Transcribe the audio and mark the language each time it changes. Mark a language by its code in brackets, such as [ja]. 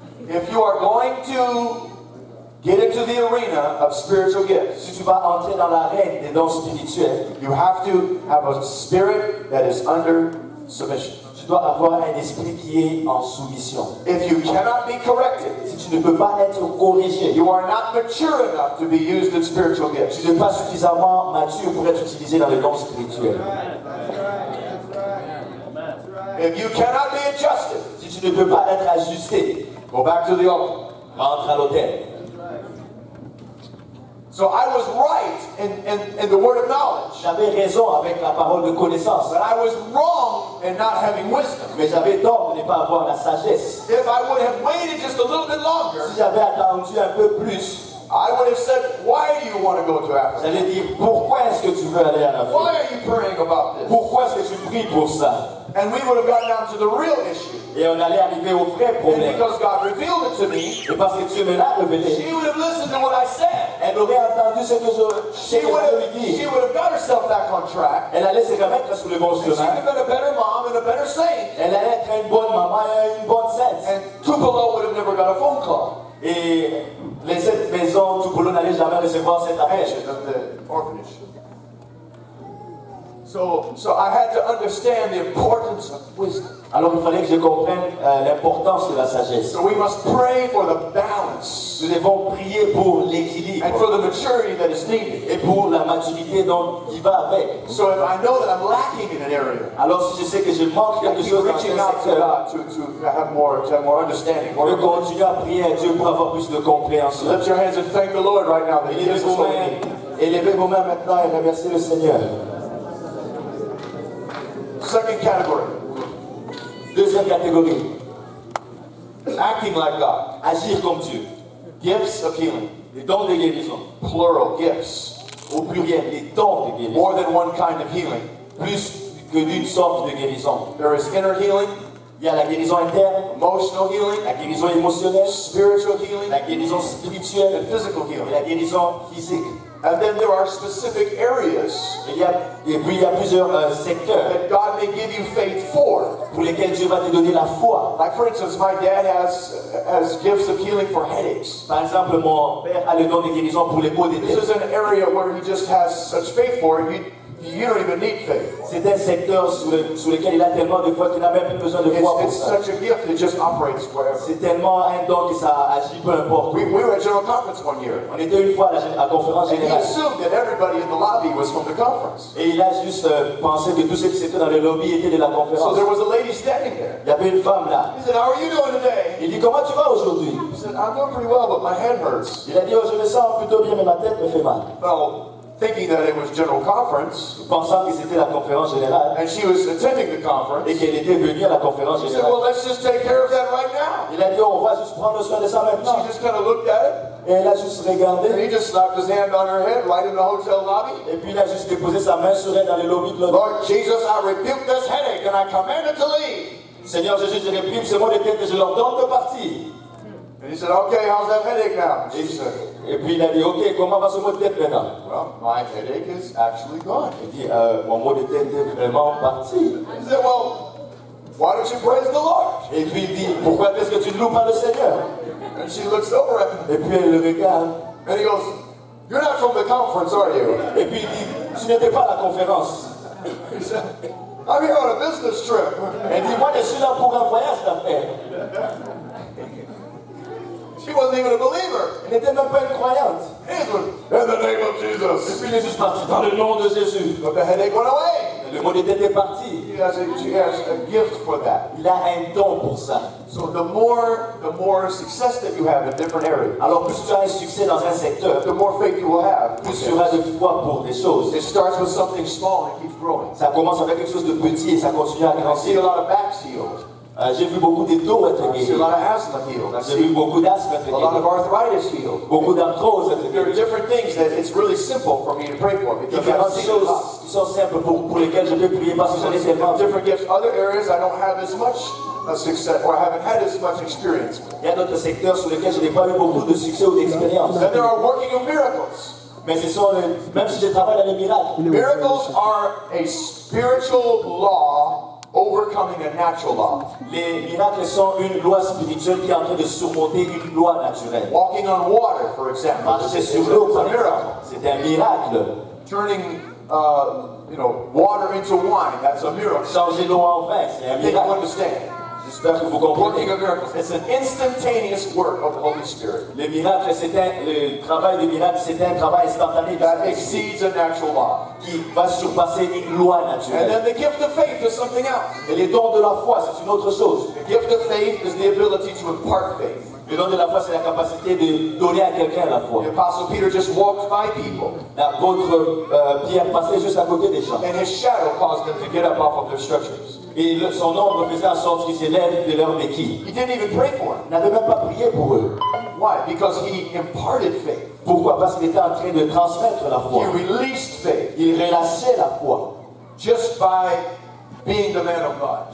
[en] If you are going to get into the arena of spiritual gifts. [fr] Si tu vas entrer dans l'arène des dons spirituels, [en] you have to have a spirit that is under submission. [fr] Tu dois avoir un esprit qui est en soumission. [en] If you cannot be corrected, [fr] si tu ne peux pas être corrigé, [en] you are not mature enough to be used in spiritual gifts. [fr] Tu n'es pas suffisamment mature pour être utilisé dans les dons spirituels. [en] If you cannot be adjusted, [fr] si tu ne peux pas être ajusté, [en] go back to the altar. [fr] Rentre à l'autel. [en] So I was right in the word of knowledge. [fr] J'avais raison avec la parole de connaissance. [en] But I was wrong in not having wisdom. [fr] Mais j'avais tort de ne pas avoir la sagesse. [en] If I would have waited just a little bit longer, [fr] si j'avais attendu un peu plus, [en] I would have said, why do you want to go to Africa? [fr] J'allais dire, pourquoi est-ce que tu veux aller en Afrique? [en] Why are you praying about this? [fr] Pourquoi est-ce que tu pries pour ça? [en] And we would have gotten down to the real issue. [fr] Et on allait arriver au vrai problème. [en] And because God revealed it to me, [fr] et parce que Dieu me l'a révélé, [en] she would have listened to what I said. [fr] Elle aurait entendu ce que je lui dis. [en] She would have got herself back on track. [fr] Elle allait se remettre sur le bon chemin. [en] And she would have been a better mom and a better saint. [fr] Elle allait être une bonne maman et une bonne sainte. [en] And Tupelo would have never got a phone call. [fr] Et les sept maisons, Tupelo n'allait jamais recevoir cet appel. [en] So I had to understand the importance of wisdom. [fr] Alors il fallait que je comprenne l'importance de la sagesse. [en] So we must pray for the balance. [fr] Nous devons prier pour l'équilibre. [en] And for the maturity that is needed. [fr] Et pour la maturité dont il va avec. [en] So if I know that I'm lacking in an area, [fr] alors si je sais que je manque quelque chose, [en] reaching out to God to have more understanding. [fr] Je continue à prier à Dieu pour avoir plus de compréhension. [en] Lift your hands and thank the Lord right now. [fr] Élevez vos mains maintenant et remerciez le Seigneur. [en] Second category. [fr] Deuxième catégorie. [en] Acting like God. [fr] Agir comme Dieu. [en] Gifts of healing. [fr] Les dons de guérison. [en] Plural gifts. [fr] Au pluriel, les dons de guérison. [en] More than one kind of healing. [fr] Plus que d'une sorte de guérison. [en] There is inner healing. [fr] Il y a la guérison interne. [en] Emotional healing. [fr] La guérison émotionnelle. [en] Spiritual healing. [fr] La guérison spirituelle. [en] And physical healing. [fr] Et la guérison physique. [en] And then there are specific areas. [fr] Il y a plusieurs secteurs [en] that God may give you faith for. [fr] Pour lesquels Dieu va te donner la foi. [en] Like for instance, my dad has gifts of healing for headaches. [fr] Par exemple, mon père a le don de guérison pour les maux de tête. [en] This is an area where he just has such faith for. You don't even need faith. [fr] C'est un secteur sur lequel il a tellement de foi qu'il n'a même plus besoin de foi. [en] It's such a gift that just operates wherever. [fr] C'est tellement un don que ça agit peu importe. [en] We were at General Conference one year. [fr] On était une fois à la conférence générale. [en] And he assumed that everybody in the lobby was from the conference. [fr] Et il a juste pensé que tous ceux qui étaient dans le lobby étaient de la conférence. [en] So there was a lady standing there. [fr] Il y avait une femme là. [en] He said, "How are you doing today?" [fr] Il dit, comment tu vas aujourd'hui? [en] He said, "I'm doing pretty well, but my head hurts." [fr] Il a dit, oh, je me sens plutôt bien, mais ma tête me fait mal. [en] Well, thinking that it was General Conference, [fr] pensant que c'était la conférence générale, [en] and she was attending the conference, [fr] et qu'elle était venue à la conférence générale. [en] She said, "Well, let's just take care of that right now." [fr] Il a dit, on va juste prendre soin de ça maintenant. [en] She just kind of looked at it. [fr] Et elle a juste regardé. [en] And he just slapped his hand on her head right in the hotel lobby. [fr] Et puis il a juste déposé sa main sur elle dans le lobby de l'hôtel. [en] Lord Jesus, I rebuke this headache and I command it to leave. [fr] Seigneur Jésus, je réprime ce mot de tête et je l'ordonne de partir. [en] And he said, "Okay, how's that headache now?" He said. [fr] Et puis il a dit, "Okay, comment va ce mot de tête maintenant?" [en] Well, my headache is actually gone. [fr] Il dit, mon mot de tête est vraiment parti. [en] He said, "Well, why don't you praise the Lord?" [fr] Et puis il dit, pourquoi est-ce que tu ne loues pas le Seigneur? [en] And she looks over at him. [fr] Et puis elle le regarde. [en] And he goes, "You're not from the conference, are you?" [fr] Et puis il dit, tu n'étais pas à la conférence. [en] He said, "I'm here on a business trip." [fr] Et dit, moi je suis là pour un voyage d'affaires. [en] She wasn't even a believer. [fr] Elle n'était même pas une croyante. [en] In the name of Jesus. [fr] Et puis il est juste parti dans le nom de Jésus. [en] But the headache went away. [fr] Et le mot de tête est parti. [en] He has a gift for that. [fr] Il a un don pour ça. [en] So the more success that you have in different areas. [fr] Alors plus tu as un succès dans un secteur, [en] the more faith you will have. [fr] Plus tu auras de foi pour des choses. [en] It starts with something small and keeps growing. [fr] Ça commence avec quelque chose de petit et ça continue à grandir. [en] I see a lot of backs healed. [fr] J'ai vu beaucoup de dos être guéris. [en] A lot of asthma healed. [fr] J'ai vu beaucoup d'asthme être guéris. [en] A lot of arthritis healed. [fr] Beaucoup d'arthrose être guéris. [en] There are different things that it's really simple for me to pray for. [fr] Différentes choses qui sont simples pour lesquelles je peux prier parce que j'en ai tellement. [en] Different gifts. Other areas I don't have as much success or I haven't had as much experience. [fr] Il y a d'autres secteurs sur lesquels je n'ai pas eu beaucoup de succès ou d'expérience. [en] And there are working of miracles. [fr] Mais ce sont les, même si je travaille dans les miracles. [en] Miracles are a spiritual law. Overcoming a natural law. [fr] Les miracles sont une loi spirituelle qui est en train de surmonter une loi naturelle. [en] Walking on water, for example. [fr] Marcher sur l'eau, par exemple. C'est un miracle. [en] Turning, water into wine. That's a miracle. [fr] Changer l'eau en vin, c'est un miracle. [en] You understand? [fr] J'espère que vous comprenez. [en] Working of miracles. It's an instantaneous work of the Holy Spirit. [fr] Les miracles, c'est un le travail des miracles, c'est un travail instantané. [en] That exceeds a natural law. [fr] Qui va surpasser une loi naturelle. [en] And then the gift of faith is something else. [fr] Et les dons de la foi, c'est une autre chose. [en] The gift of faith is the ability to impart faith. [fr] Le don de la foi, c'est la capacité de donner à quelqu'un la foi. [en] The Apostle Peter just walked by people. [fr] L'apôtre Pierre passait juste à côté des gens. [en] And his shadow caused them to get up off of their structures. [fr] Et son ombre faisait en sorte qu'ils s'élèvent de leur béquille. [en] He didn't even pray for them. [fr] N'avait même pas prié pour eux. [en] Why? Because he imparted faith. [fr] Pourquoi? Parce qu'il était en train de transmettre la foi. [en] He released faith. [fr] Il relâchait la foi. [en] Just by being the man of God.